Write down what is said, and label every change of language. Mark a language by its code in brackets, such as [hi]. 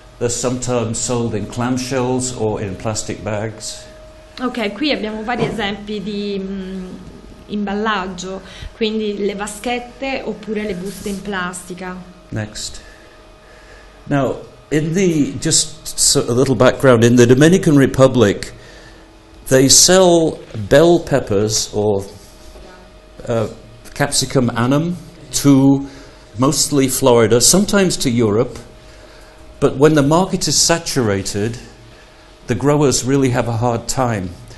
[en] They're sometimes sold in clamshells or in plastic bags. [it] Okay, qui abbiamo vari esempi di imballaggio, quindi le vaschette oppure le buste in plastica. [en] Next. Now, in the just so a little background, in the Dominican Republic, they sell bell peppers or capsicum annuum to mostly Florida, sometimes to Europe, but when the market is saturated, the growers really have a hard time.